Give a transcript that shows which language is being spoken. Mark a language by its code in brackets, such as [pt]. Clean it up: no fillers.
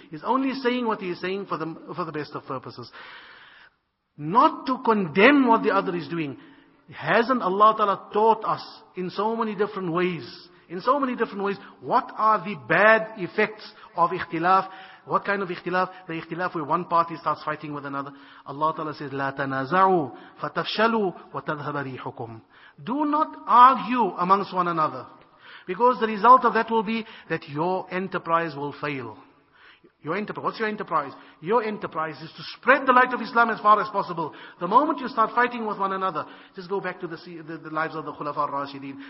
[en] He's only saying what he is saying for the best of purposes. Not to condemn what the other is doing. Hasn't Allah Ta'ala taught us in so many different ways? In so many different ways, what are the bad effects of ikhtilaf? What kind of ikhtilaf? The ikhtilaf where one party starts fighting with another. Allah Ta'ala says, [ar] لا تنازعوا فتفشلوا وتذهب ريحكم. [en] Do not argue amongst one another. Because the result of that will be that your enterprise will fail. Your enterprise, what's your enterprise? Your enterprise is to spread the light of Islam as far as possible. The moment you start fighting with one another, just go back to the lives of the Khulafa al-Rashideen.